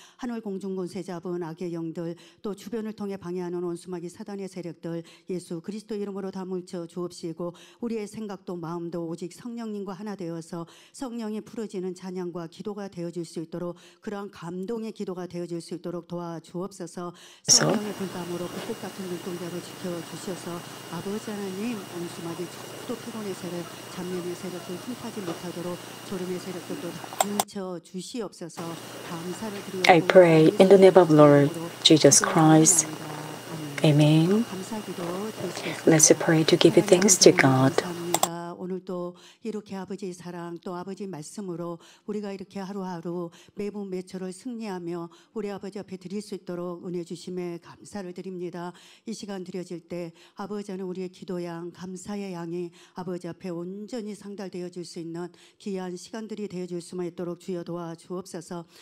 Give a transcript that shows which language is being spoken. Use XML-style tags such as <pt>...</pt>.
<ko>하늘 공중권세 잡은 악의 영들, 또 주변을 통해 방해하는 원수마귀 사단 의 세력들 예수 그리스도 이름으로 다 물쳐 주옵시고, 우리의 생각도 마음도 오직 성령님과 하나 되어서 성령이 풀어지는 찬양과 기도가 되어질 수 있도록, 그러한 감동의 기도가 되어질 수 있도록 도와주옵소서. 성령의 불감으로 불꽃 같은 눈동자로 지켜주셔서 아버지 하나님 원수마귀 또 피곤의 세력, 잡념의 세력도 흉파지 못하도록 졸음의 세력들도 다 물쳐 주시옵소서. 감사를 드리옵소서.</ko> <en>I pray in the name of Lord Jesus Christ. Amen. Let's pray to give thanks to God.</en> <ko>오늘도 이렇게 아버지 사랑 또 아버지 말씀으로 우리가 이렇게 하루하루 매분 매초를 승리하며 우리 아버지 앞에 드릴 수 있도록 은혜 주심에 감사를 드립니다. 이 시간 드려질 때 아버지는 우리의 기도양 감사의 양이 아버지 앞에 온전히 상달되어 줄 수 있는 귀한 시간들이 되어 줄 수만 있도록 주여 도와주옵소서.</ko>